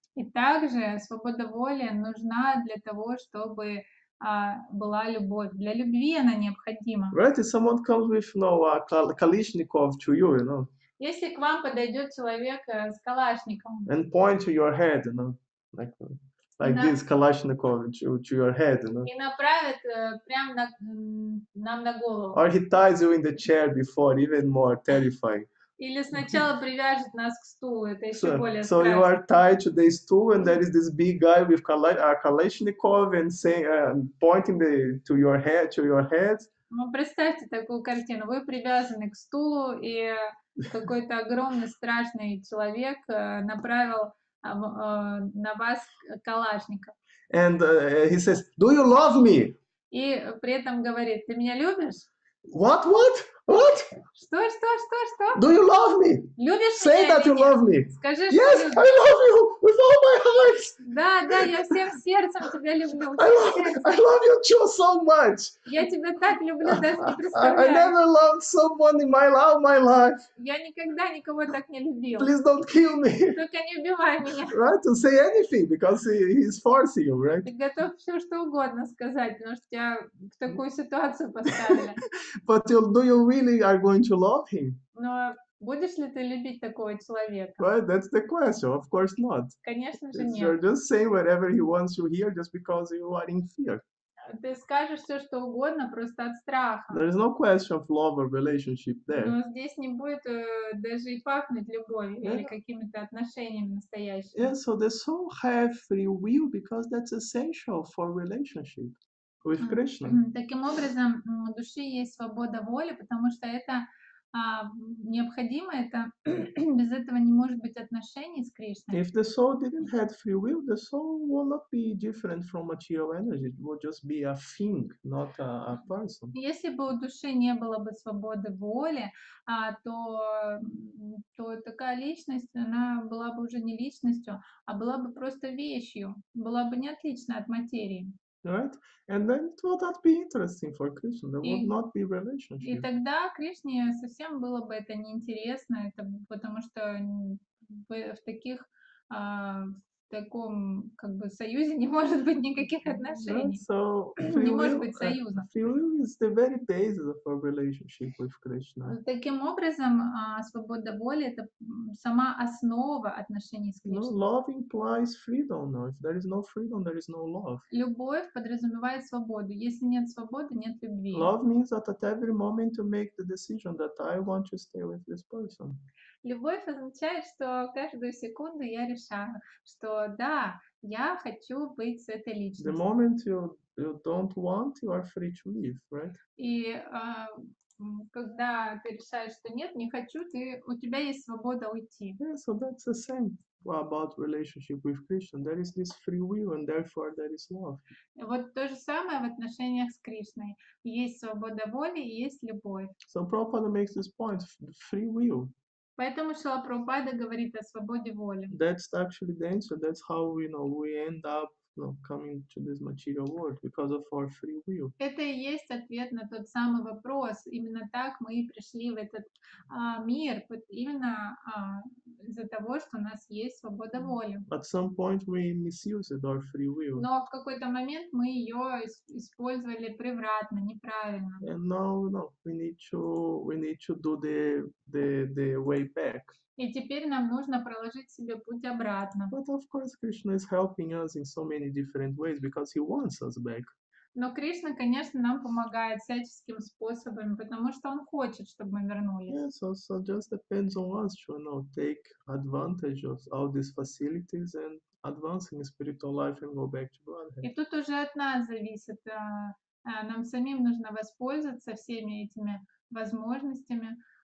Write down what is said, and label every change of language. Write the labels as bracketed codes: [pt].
[ru] И также свобода воли нужна для того, чтобы была любовь. Для любви она необходима. [en] Right, if someone comes with Kalashnikov to you, you know. [ru] Если к вам подойдет человек с калашником. [en] And point to your head, you know, like this Kalashnikov to your head, you know. [ru] И направит прямо нам на голову. [en] Or he ties you in the chair before, even more terrifying. [ru] Или сначала привяжет нас к стулу, это еще более страшно. [en] So you are tied to the stool, and there is this big guy with Kalashnikov and saying, pointing to your head. [ru] Ну представьте такую картину: вы привязаны к стулу и какой-то огромный страшный человек направил на вас калашника. [en] And he says, "Do you love me?" [ru] И при этом говорит: "Ты меня любишь?" [en] What? What? What? [ru] Что? Что? Что? Что? [en] Do you love me? [ru] Любишь [en] Say [ru] меня? [en] Say that you love me. [ru] Скажи, [en] yes, [ru] что [en] Yes, I love you with all my heart. [ru] Да, да, я всем сердцем тебя люблю. [en] I love you too so much. [ru] Я тебя так люблю, даже не представляю. [en] I never loved someone in my life. [ru] Я никогда никого так не любил. [en] Please don't kill me. [ru] Только не убивай меня. [en] Right, to say anything because he's forcing you, right? [ru] Ты готов все что угодно сказать, потому что тебя в такую ситуацию поставили. [en] But do you really are going to love him? [ru] Но будешь ли ты любить такого человека? [en] Right, that's the question. Of course not. [ru] Конечно же нет. [en] You're just saying whatever he wants to hear just because you are in fear. [ru] Ты скажешь все что угодно просто от страха. [en] There is no question of love or relationship there. [ru] Но здесь не будет даже и пахнуть любовью или какими-то отношениями настоящими. [en] Yeah, so the soul have free will because that's essential for relationship. With Krishna. [ru] Таким образом, у души есть свобода воли, потому что это необходимо, это без этого не может быть отношений с Кришной. [en] If the soul didn't have free will, the soul would not be different from material energy. It would just be a thing, not a person. [ru] Если бы у души не было бы свободы воли, то такая личность, она была бы уже не личностью, а была бы просто вещью, была бы не отличной от материи. [en] Right, and then it would not be interesting for Krishna. There would not be relationship. [ru] И тогда Кришне совсем было бы это неинтересно, это потому что в таких таком как бы союзе не может быть никаких отношений. [en] So, [ru] не может быть союза. [en] Free will is the very basis of our relationship with Krishna. [ru] Таким образом, свобода воли это сама основа отношений с Кришной. [en] No, love implies freedom. No, if there is no freedom, there is no love. [ru] Любовь подразумевает свободу. Если нет свободы, нет любви. [en] Love means that at every moment you make the decision that I want to stay with this person. [ru] Любовь означает, что каждую секунду я решаю, что да, я хочу быть с этой личностью. [en] The moment you don't want, you are free to leave, right? [ru] И когда ты решаешь, что нет, не хочу, ты, у тебя есть свобода уйти. [en] Yeah, so that's the same about relationship with Krishna. There is this free will, and therefore there is love. [ru] Вот то же самое в отношениях с Кришной. Есть свобода воли и есть любовь. [en] So Prabhupada makes this point, free will. [ru] Поэтому Шрила Прабхупада говорит о свободе воли. [en] That's actually the answer. That's how we, you know, we end up, you know, coming to this material world because of our free will. [ru] Это и есть ответ на тот самый вопрос. Именно так мы и пришли в этот мир, именно из-за того, что у нас есть свобода воли. [en] At some point we misused our free will. [ru] Но в какой-то момент мы ее использовали превратно, неправильно. [en] And now, you know, we need to do the way back. [ru] И теперь нам нужно проложить себе путь обратно. [en] But of course, Krishna is helping us in so many different ways because he wants us back. [ru] Но Кришна, конечно, нам помогает всяческим способами, потому что он хочет, чтобы мы вернулись. [en] Yeah, so just depends on us to, you know, take advantage of all these facilities and advance in spiritual life and go back to Godhead. [ru] И тут уже от нас зависит. Нам самим нужно воспользоваться всеми этими возможностями.